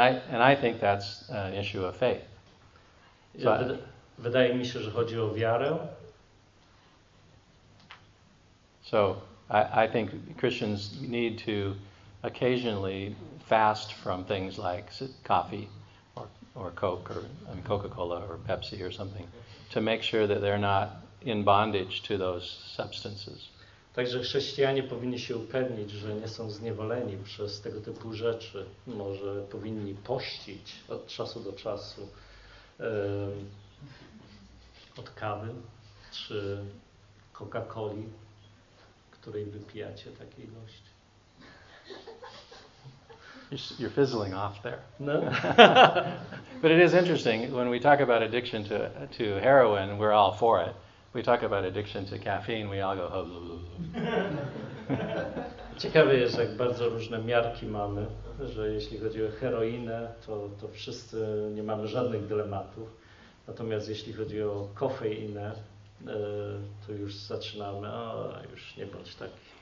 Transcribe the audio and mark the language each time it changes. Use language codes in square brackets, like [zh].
[en] And I think that's an issue of faith. [pl] Wydaje mi się, że chodzi o wiarę. [en] So I think Christians need to occasionally fast from things like coffee or Coke or Coca-Cola or Pepsi or something to make sure that they're not in bondage to those substances. [pl] Także chrześcijanie powinni się upewnić, że nie są zniewoleni przez tego typu rzeczy. Może powinni pościć od czasu do czasu od kawy czy Coca-Coli, której wypijacie takiej ilości. [en] You're fizzling off there. No. But it is interesting when we talk about addiction to heroin, we're all for it. We talk about addiction to caffeine, we all go. [pl] Ciekawe jest, jak bardzo różne miarki mamy, że jeśli chodzi o heroinę, to wszyscy nie mamy żadnych dylematów. Natomiast jeśli chodzi o kofeinę, to już zaczynamy, a już nie bądź taki.